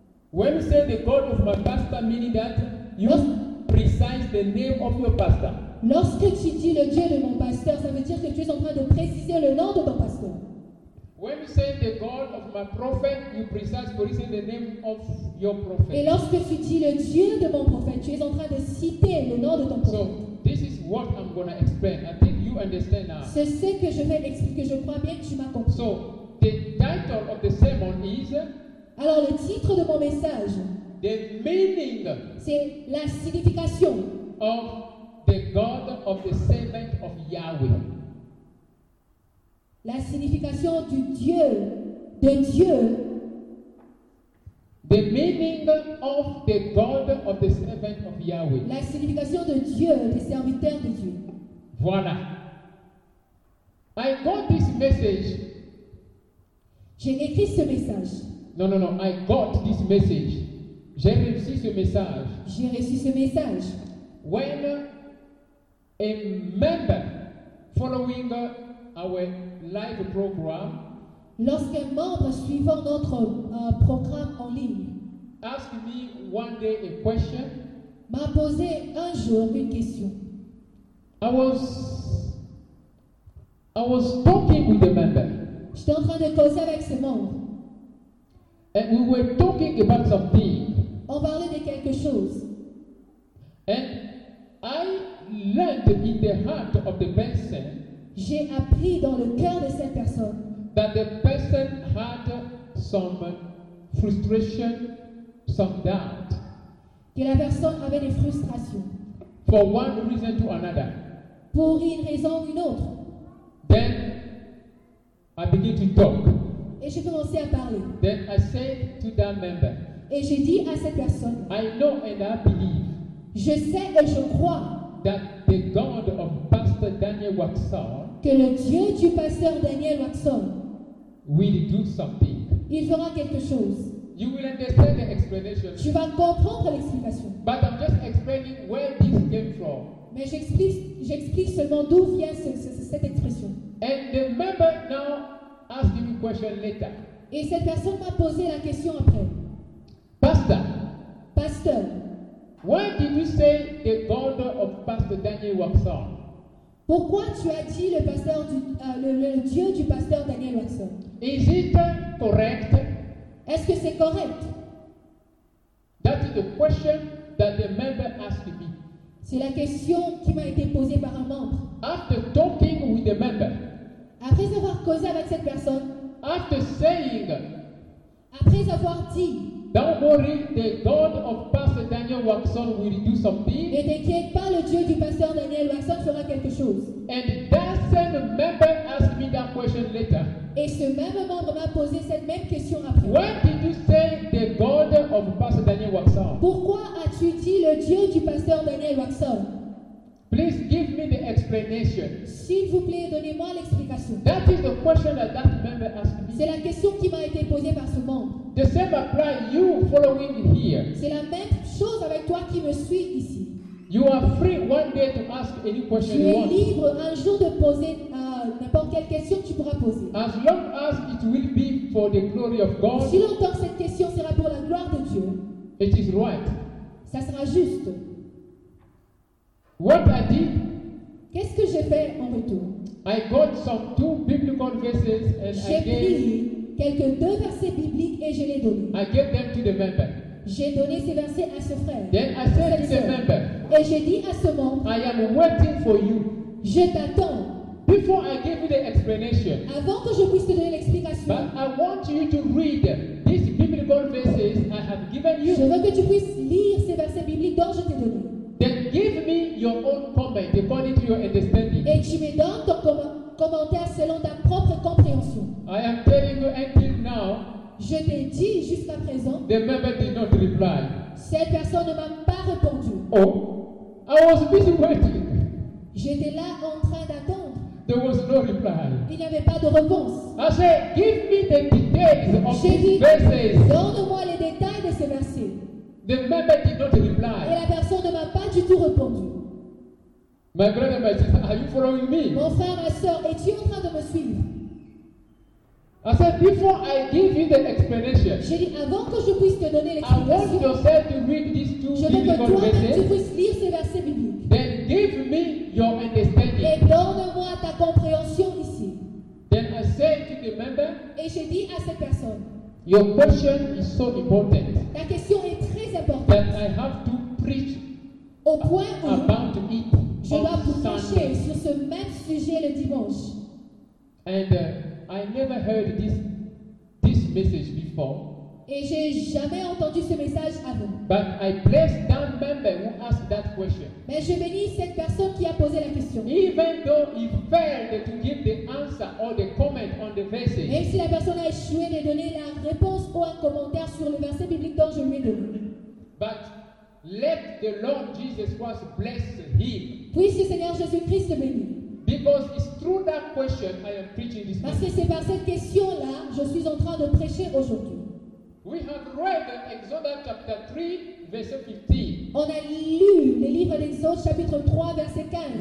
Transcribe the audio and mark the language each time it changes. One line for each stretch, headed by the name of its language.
English: When you say the God of my pastor, meaning that you precise the name of your pastor.
French: Lorsque tu dis le Dieu de mon pasteur, ça veut dire que tu es en train de préciser le nom de ton pasteur.
English: When you say the God of my prophet, you precise for instance the name of your prophet.
French: Et lorsque tu dis le Dieu de mon prophète, tu es en train de citer le nom de ton prophète.
English: So, this is what I'm going to explain. I think you understand now.
French: C'est ce que je vais expliquer. Je crois bien que tu m'as compris.
English: So, the title of the sermon is.
French: Alors, le titre de mon message.
English: The meaning.
French: C'est la signification.
English: Of the God of the servant of Yahweh.
French: La signification du Dieu, de Dieu.
English: The meaning of the God of the servant of Yahweh.
French: La signification de Dieu, des serviteurs de Dieu. Voilà.
English: I got this message.
French: J'ai écrit ce message.
English: No. I got this message.
French: J'ai reçu ce message. J'ai reçu ce message.
English: When a member following our live program.
French: Lorsqu'un membre suivant notre programme en ligne
English: asked me one day a question,
French: m'a posé un jour une question.
English: I was talking with a member.
French: J'étais en train de causer avec ce membre.
English: And we were talking about something.
French: On parlait de quelque chose.
English: And I learned in the heart of the person.
French: J'ai appris dans le cœur de cette personne.
English: That the person had some frustration, some doubt.
French: Que la personne avait des frustrations.
English: For one reason to another.
French: Pour une raison ou une autre.
English: Then I began to talk.
French: Et j'ai commencé à parler.
English: Then I said to that member.
French: Et j'ai dit à cette personne.
English: I know and I believe.
French: Je sais et je crois.
English: That the God of Pastor Daniel Watson.
French: Que le Dieu du pasteur Daniel Watson.
English: Will do something.
French: Il fera quelque chose.
English: You will understand the explanation.
French: Tu vas comprendre l'explication.
English: But I'm just explaining where this came from.
French: Mais j'explique seulement d'où vient cette expression.
English: And the member now asked me a question later.
French: Et cette personne m'a posé la question après. Pasteur.
English: Why did you say the daughter of Pastor Daniel Watson?
French: Pourquoi tu as dit le pasteur du, le Dieu du pasteur Daniel Watson?
English: Is it correct?
French: Est-ce que c'est correct?
English: That is the question that the member asked me.
French: C'est la question qui m'a été posée par un membre.
English: After talking with the member.
French: Après avoir causé avec cette personne.
English: After saying.
French: Après avoir dit.
English: Don't worry, the God of Pastor Daniel Watson will do something.
French: Ne t'inquiète pas, le Dieu du pasteur Daniel Watson fera quelque chose.
English: And that same member asked me that question later.
French: Et ce même membre m'a posé cette même question après.
English: Why did you say the God of Pastor Daniel Watson?
French: Pourquoi as-tu dit le Dieu du pasteur Daniel Watson?
English: Please give me the explanation.
French: S'il vous plaît, donnez-moi l'explication.
English: That is the question that that member asked me.
French: C'est la question qui m'a été posée par ce membre.
English: The same apply you following here.
French: C'est la même chose avec toi qui me suis ici.
English: You are free one day to ask any question
French: tu
English: you want.
French: Tu es libre un jour de poser n'importe quelle question que tu pourras poser.
English: As long as it will be for the glory of God.
French: Si longtemps que cette question sera pour la gloire de Dieu.
English: It is right.
French: Ça sera juste.
English: What I did?
French: Qu'est-ce que j'ai fait en retour?
English: I got some two biblical verses and
French: j'ai
English: I gave.
French: Quelques deux versets bibliques et je les donne.
English: I gave them to the member.
French: J'ai donné ces versets à ce frère.
English: Then I said to the member.
French: Et j'ai dit à ce membre.
English: I am waiting for you.
French: Je t'attends.
English: Before I give you the explanation.
French: Avant que je puisse te donner l'explication.
English: But I want you to read these biblical verses I have given you.
French: Je veux que tu puisses lire ces versets bibliques dont je t'ai donné.
English: Then give me your own comment according to your understanding.
French: Et tu me donnes ton commentaire selon ta propre compréhension.
English: I am telling you until now.
French: Je t'ai dit jusqu'à présent.
English: The member did not reply.
French: Cette personne ne m'a pas répondu.
English: Oh, I was busy waiting.
French: J'étais là en train d'attendre.
English: There was no reply.
French: Il n'y avait pas de réponse.
English: I said, give me the details of
French: j'ai
English: these
French: dit,
English: verses.
French: Donne-moi les détails de ces versets.
English: The member did not reply.
French: Et la personne ne m'a pas du tout répondu.
English: My brother, my sister, are you following me?
French: Mon frère, ma soeur, es-tu en train de me suivre?
English: I said, before I give you the explanation,
French: j'ai dit, avant que je puisse te donner l'explication,
English: I want yourself to read these two
French: je veux que toi-même
English: verses,
French: tu puisses lire ces versets bibliques.
English: Then give me your understanding.
French: Et donne-moi ta compréhension ici.
English: Then I said to the member,
French: et j'ai dit à cette personne,
English: your question is so important,
French: ta question est très importante,
English: that I have to preach
French: au point où
English: about it.
French: Je dois vous pencher sur ce même sujet le dimanche.
English: And I never heard this message before.
French: Et j'ai jamais entendu ce message avant.
English: But I bless that member who asked that question.
French: Mais je bénis cette personne qui a posé la question.
English: Even though he failed to give the answer or the comment on the verses.
French: Même si la personne a échoué de donner la réponse ou un commentaire sur le verset biblique dont je lui ai donné.
English: But let the Lord Jesus Christ bless him.
French: Puisse le Seigneur Jésus-Christ le bénir.
English: Because it's through that question I am preaching this.
French: Parce que c'est par cette question-là je suis en train de prêcher aujourd'hui.
English: We have read Exode chapter 3, verse 15.
French: On a lu le livre d'Exode chapitre 3, verset 15.